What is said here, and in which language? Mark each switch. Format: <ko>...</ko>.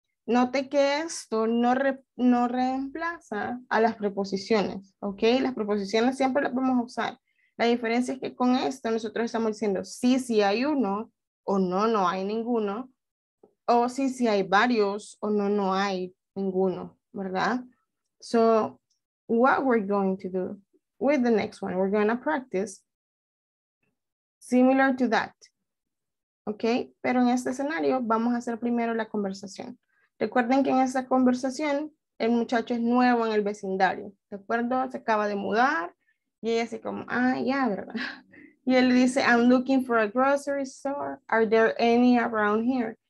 <es>Note que esto no reemplaza a las preposiciones. Okay. Las preposiciones siempre las vamos a usar. La diferencia es que con esto nosotros estamos diciendo sí, sí hay uno, o no, no hay ninguno. O si sí, sí hay varios, o no, no hay ninguno, ¿verdad?</es> <en>So, what we're going to do with the next one, we're going to practice similar to that, ¿ok?</en> <es>Pero en este escenario vamos a hacer primero la conversación. Recuerden que en esta conversación el muchacho es nuevo en el vecindario, ¿de acuerdo? Se acaba de mudar y ella así como, ah, ya, ¿verdad? Y él dice,</es> <en>I'm looking for a grocery store. Are there any around here?</en>